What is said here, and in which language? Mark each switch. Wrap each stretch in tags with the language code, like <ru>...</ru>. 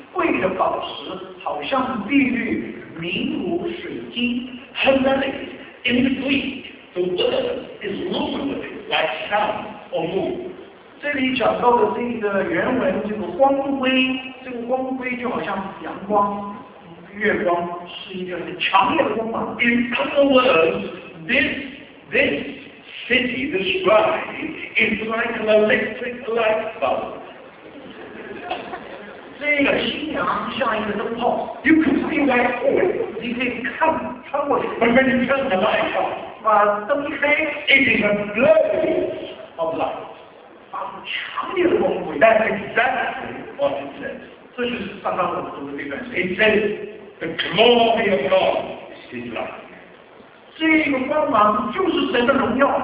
<zh>贵的宝石，好像碧玉，明如水晶。</zh> <en>Heavenly, in the Greek, the word is luminous, like sun or moon.</en> <zh>这里讲到的这个原文，这个光辉，这个光辉就好像阳光、月光，是一个很强烈的光芒。</zh> <en>In other words, this city, this bride, is like an electric light bulb.</en> <zh>这个新娘像一个灯泡</zh> <en>，You can see right through it.</en> <zh>你可以看穿过去。</zh> <en>But when you turn the light on,</en> <zh>把灯开</zh> <en>，It is a glow of light.</en> <zh>发出强烈的光辉。</zh> <en>That's exactly what it says.</en> <zh>这就是刚刚我们读的这段。</zh> <en>It says the glory of God is light.</en> <zh>这个光芒就是神的荣耀。</zh>